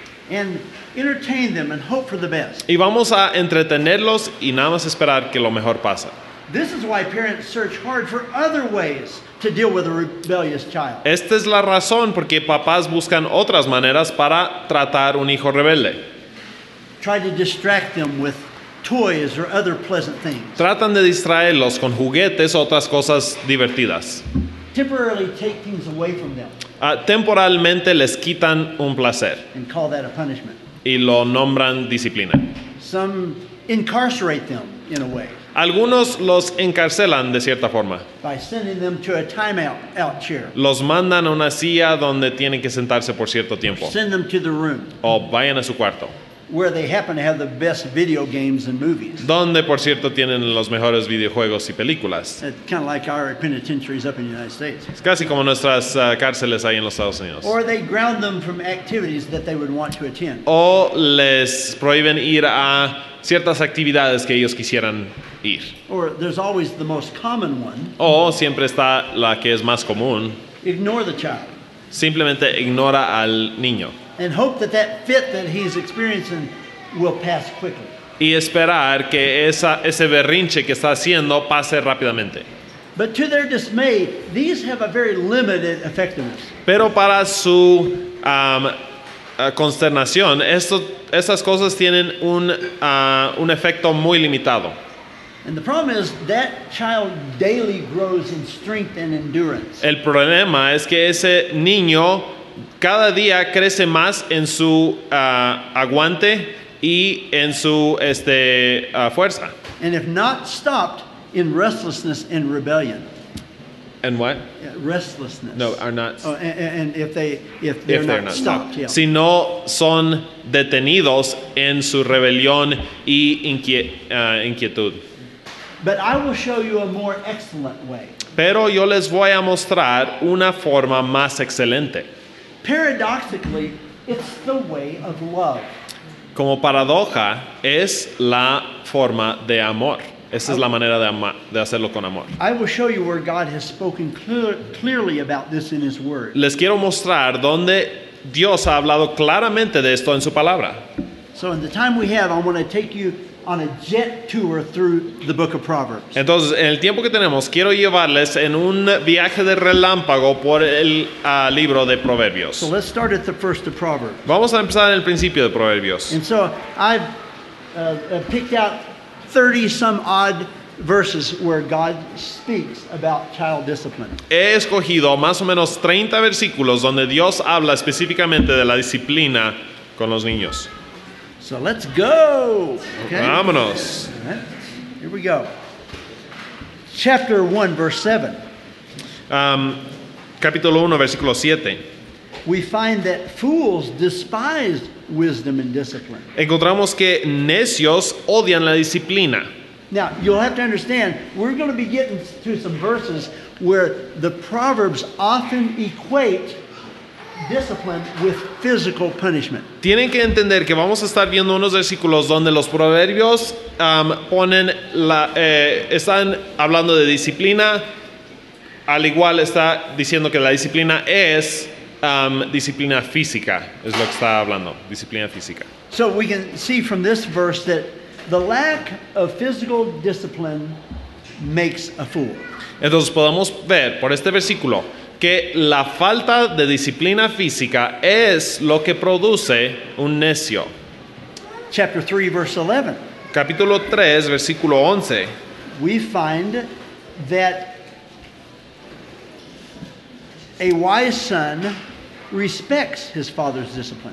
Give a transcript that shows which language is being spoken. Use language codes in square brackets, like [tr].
[en] And entertain them and hope for the best. [es] Y vamos a entretenerlos y nada más esperar que lo mejor pasa. [en] This is why parents search hard for other ways to deal with a rebellious child. [es] Esta es la razón porque papás buscan otras maneras para tratar un hijo rebelde. [en] Try to distract them with toys or other pleasant things. [es] Tratan de distraerlos con juguetes o otras cosas divertidas. [en] Temporarily take things away from them. [es] Temporalmente les quitan un placer. [en] And call that a punishment. [es] Y lo nombran disciplina. [en] Some incarcerate them in a way. [es] Algunos los encarcelan de cierta forma. [en] By sending them to a timeout out chair. [es] Los mandan a una silla donde tienen que sentarse por cierto tiempo. [en] Send them to the room. [es] O vayan a su cuarto. [en] Where they happen to have the best video games and movies. [es] Donde, por cierto, tienen los mejores videojuegos y películas. [en] It's kind of like our penitentiaries up in the United States. [es] Es casi como nuestras cárceles ahí en los Estados Unidos. [en] Or they ground them from activities that they would want to attend. [es] O les prohíben ir a ciertas actividades que ellos quisieran ir. [en] Or there's always the most common one. [es] O siempre está la que es más común. [en] Ignore the child. [es] Simplemente ignora al niño. [en] And hope that fit that he's experiencing will pass quickly. [es] Y esperar que ese berrinche que está haciendo pase rápidamente. [en] But to their dismay, these have a very limited effectiveness. [es] Pero para su consternación, estas cosas tienen un efecto muy limitado. [en] And the problem is that child daily grows in strength and endurance. [es] El problema es que ese niño cada día crece más en su aguante y en su fuerza. [en] And if not stopped in restlessness and rebellion. And what? Restlessness. No, are not. Oh, and if they if they're not stopped. Yeah. [es] Si no son detenidos en su rebelión y inquietud. [en] But I will show you a more excellent way. [es] Pero yo les voy a mostrar una forma más excelente. [en] Paradoxically, it's the way of love. [es] Como paradoja, es la forma de amor. Esa es la manera de amar, de hacerlo con amor. [en] I will show you where God has spoken clearly about this in His Word. [es] Les quiero mostrar dónde Dios ha hablado claramente de esto en su palabra. [en] So in the time we have, I want to take you on a jet tour through the book of Proverbs. [es] Entonces, en el tiempo que tenemos, quiero llevarles en un viaje de relámpago por el libro de Proverbios. [en] So let's start at the first of Proverbs. [es] Vamos a empezar en el principio de Proverbios. [en] And so I've picked out 30 some odd verses where God speaks about child discipline. [es] He escogido más o menos 30 versículos donde Dios habla específicamente de la disciplina con los niños. [en] So let's go. [es] Okay. Vámonos. [en] Here we go. Chapter 1, verse 7. [es] Capítulo 1, versículo 7. [en] We find that fools despise wisdom and discipline. [es] Encontramos que necios odian la disciplina. [en] Now, you'll have to understand, we're going to be getting to some verses where the Proverbs often equate discipline with physical punishment. [es] Tienen que entender que vamos a estar viendo unos versículos donde los proverbios ponen la están hablando de disciplina, al igual está diciendo que la disciplina es disciplina física, es lo que está hablando, disciplina física. [en] So we can see from this verse that the lack of physical discipline makes a fool. [es] Entonces podemos ver por este versículo que la falta de disciplina física es lo que produce un necio. [en] Chapter 3, verse 11. [es] Capítulo 3, versículo 11. [en] We find that a wise son respects his father's discipline.